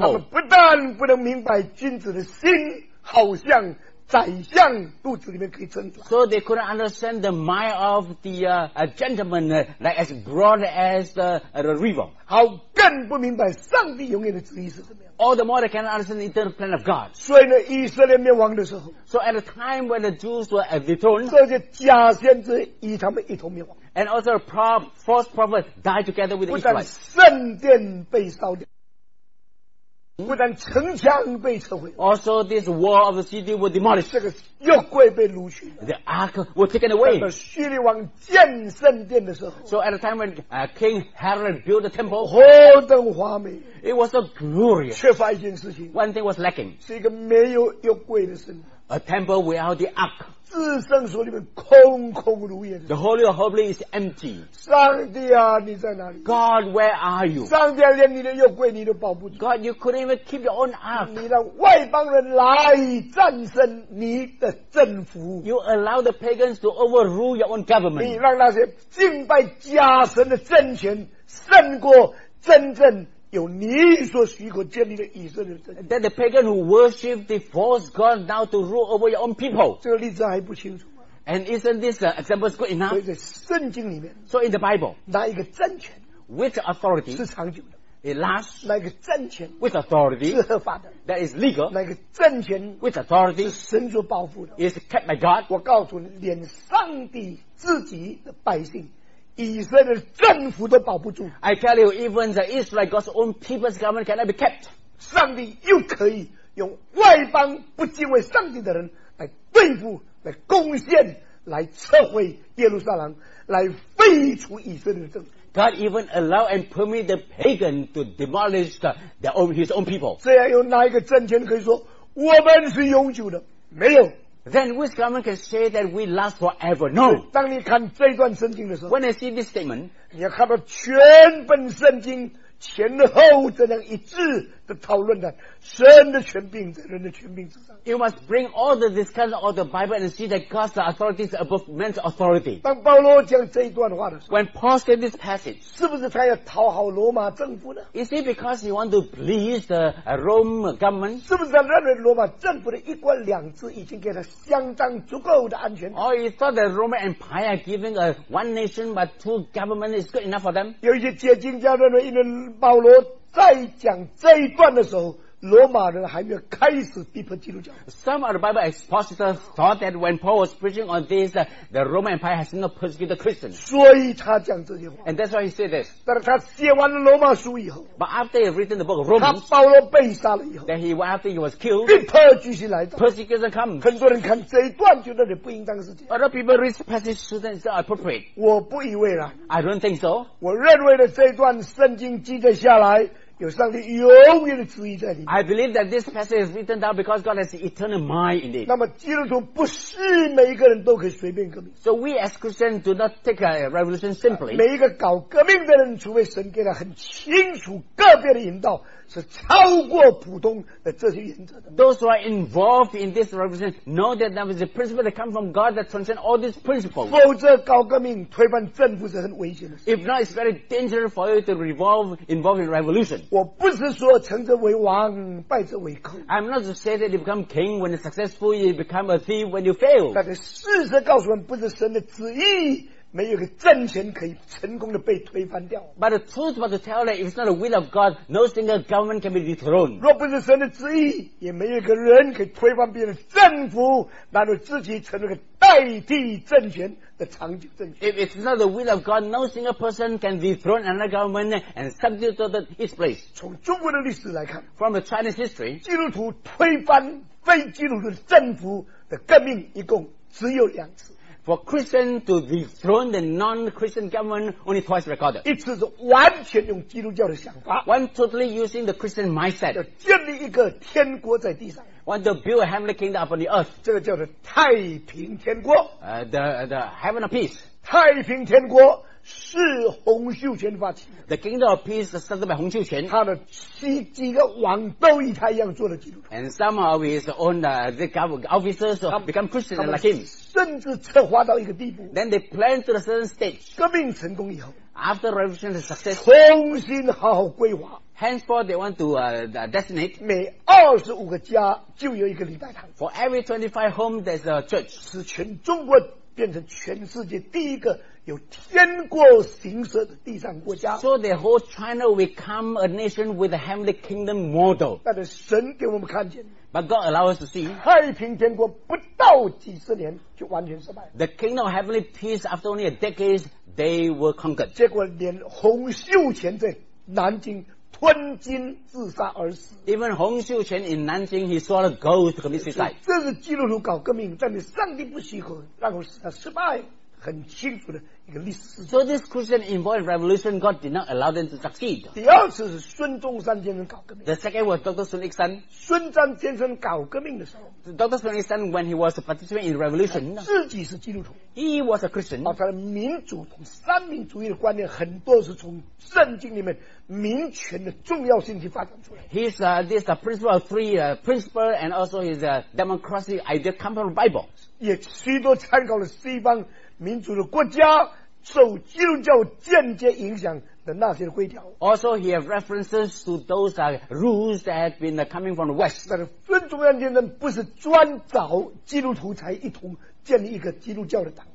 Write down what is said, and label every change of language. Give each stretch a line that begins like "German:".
Chinese: 他们不但不能明白君子的心，好像宰相肚子里面可以撑船。
English: So they couldn't understand the mind of the gentleman like as broad as the river.
Chinese: 好，更不明白上帝永远的旨意是怎么样。
English: All the more they cannot understand the eternal plan of God.
Chinese: 所以呢，以色列灭亡的时候。
English: So at the time when the Jews were overthrown.
Chinese: 这些假先知与他们一同灭亡。
English: And also a false prophet died together with the Israelites.
Chinese: 不但圣殿被烧掉。不但城墙被摧毁
English: also this wall of the city will demolish
Chinese: 这个约柜被掳去
English: the ark will taken away
Chinese: 当叙利王建圣殿的时候
English: so at the time when King Herod built the temple
Chinese: 何等华美
English: it was so glorious
Chinese: 缺乏一件事情
English: one thing was lacking
Chinese: 是一个没有约柜的圣殿
English: a temple without the ark
Chinese: 至圣所里面空空如也
English: the Holy of Holies is empty
Chinese: 上帝啊你在哪里
English: God where are you
Chinese: 上帝啊连你的约柜你都保不住
English: God you couldn't even keep your own ark
Chinese: 你让外邦人来战胜你的政府
English: you allow the pagans to overrule your own government
Chinese: 你让那些敬拜假神的政权胜过真正有你所许可建立的以色列政权
English: that the pagan who worship the false god now to rule over your own people
Chinese: 这个例子还不清楚
English: and isn't this example good enough
Chinese: 所以在圣经里面
English: so in the bible
Chinese: 哪一个政权
English: which authority
Chinese: 是长久的
English: It lasts.
Chinese: 那个政权
English: with authority
Chinese: 是合法的
English: that is legal.
Chinese: 那个政权
English: with authority
Chinese: 是神所保护的
English: is kept by God.
Chinese: 我告诉你，连上帝自己的百姓，以色列政府都保不住。
English: I tell you, even the Israel God's own people's government cannot be kept.
Chinese: 上帝又可以用外邦不敬畏上帝的人来对付、来攻陷、来撤回耶路撒冷、来废除以色列的政府。
English: God even allow and permit the pagan to demolish their own, his own people.
Chinese: 这样有哪一个政权可以说我们是永久的？没有。
English: Then which government can say that we last forever? No.
Chinese: 当你看这段圣经的时候
English: When I see this statement,
Chinese: 你要看到全本圣经前后这样一致的讨论的神的权柄在人的权柄之上。
English: You must bring all the discussion of the Bible and see that God's authority is above man's authority.
Chinese: 当保罗讲这一段话的时候
English: When Paul said this passage,
Chinese: 是不是他要讨好罗马政府呢
English: Is it because he want to please the Rome government?
Chinese: 是不是他认为罗马政府的一国两制已经给他相当足够的安全
English: Or he thought the Roman Empire giving a one nation but two government is good enough for them?
Chinese: 有一些解经家认为因为保罗在讲这一段的时候罗马人还没有开始逼迫基督教
English: Some of the Bible expositors thought that when Paul was preaching on this the Roman Empire has not persecuted Christians
Chinese: 所以他讲这些话
English: And that's why he said this
Chinese: 但是他写完了罗马书以后
English: But after he had written the book of Romans
Chinese: 他保罗被杀了以后
English: Then he, after he was killed
Chinese: 逼迫继续来到
English: Persecution comes
Chinese: 很多人看这一段觉得你不应当是这样
English: Other people read this passage so that it's not appropriate
Chinese: 我不以为然
English: I don't think so
Chinese: 我认为的这一段圣经记载下来有上帝永远的旨意在里面。
English: I believe that this passage is written down because God has eternal mind in it.
Chinese: 那么基督徒不是每一个人都可以随便革命。
English: So we as Christians do not take a revolution simply.
Chinese: 每一个搞革命的人，除非神给他很清楚个别的引导，是超过普通的这些原则的。
English: Those who are involved in this revolution know that there is a principle that comes from God that transcends all these principles.
Chinese: 否则搞革命推翻政府是很危险的。
English: If not, it's very dangerous for you to involve in revolution.
Chinese: 我不是说成者为王败者为寇
English: I'm not to say that you become king when you're successful you become a thief when you fail
Chinese: 但是事实告诉我们不是神的旨意没有个政权可以成功的被推翻掉
English: But the truth was to tell that if it's not the will of God no single government can be dethroned
Chinese: 若不是神的旨意也没有个人可以推翻别人的政府然后自己成为个代替政权的长久政权
English: If it's not the will of God no single person can dethrone another government and substitute to its place
Chinese: 从中国的历史来看
English: From the Chinese history
Chinese: 基督徒推翻非基督徒的政府的革命一共只有两次
English: For Christians to dethrone the non-Christian government only twice recorded.
Chinese: 一次是完全用基督教的想法
English: One totally using the Christian mindset.
Chinese: 要建立一个天国在地上
English: Want to build a heavenly kingdom upon the earth.
Chinese: 这个叫做太平天国
English: The heaven of peace.
Chinese: 太平天国是洪秀全发起的
English: The kingdom of peace is started by 洪秀全
Chinese: 他的几个王都以他一样做了基督徒
English: And some of his own the officers become Christian like him
Chinese: 甚至策划到一个地步
English: Then they plan to a certain stage
Chinese: 革命成功以后
English: After revolution is success
Chinese: 重新好好规划
English: Henceforth they want to designate
Chinese: 每25个家就有一个礼拜堂
English: For every 25 homes there's a church
Chinese: 使全中国变成全世界第一个有天国形式的地上国家
English: So the whole China will become a nation with a heavenly kingdom model
Chinese: 但是神给我们看见
English: But God allow us to see
Chinese: 太平天国不到几十年就完全失败
English: The kingdom of heavenly peace after only a decade they were conquered
Chinese: 结果连洪秀全在南京吞金自杀而死。
English: Even Hong Xiuquan in Nanjing, he saw a ghost commit suicide.
Chinese: 这是基督徒搞革命，但是上帝不许可，让我失败，很清楚的一个历史。
English: So this Christian involved in revolution, God did not allow them to succeed.
Chinese: 第二次是孙中山先生搞革命。
English: The second was Dr. Sun Yat-sen.
Chinese: 孙中山先生搞革命的时候
English: ，Dr. Sun Yat-sen when he was participating in revolution,
Chinese: 自己是基督徒。
English: He was a Christian.
Chinese: 把他的民主同三民主义的观念很多是从圣经里面民权的重要性去发展出来。
English: His this principle of three principle and also his democracy idea come from the Bible.
Chinese: 也许多参考了西方民主的国家受基督教间接影响的那些规条。
English: Also, he has references to those rules that have been coming from the West.
Chinese: 但是孙中山先生不是专找基督徒才一同建立一个基督教的党。